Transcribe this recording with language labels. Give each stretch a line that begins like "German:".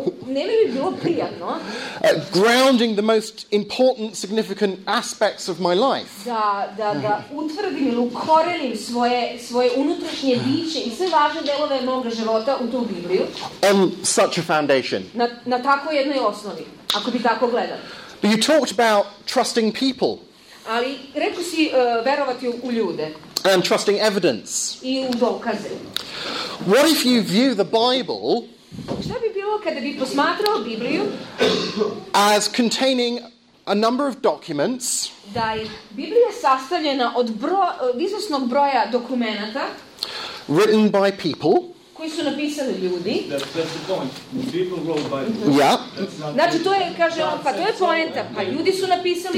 English: grounding the most important, significant aspects of my life. On such a foundation. But you talked about trusting people.
Serbian: Ali rekao si verovati u ljude.
English: And trusting evidence.
Serbian: I u dokaze.
English: What if you view the Bible?
Serbian: Šta bi bilo kada bi posmatrao Bibliju?
English: As containing a number of documents.
Serbian: Da je Biblija sastavljena od izvesnog broja dokumenata.
English: Written by people.
Serbian: Koji su napisali ljudi.
English: That's the point. People wrote Bible. Yeah.
Serbian: Znači, to je, kaže on, pa to je poenta. Pa ljudi su napisali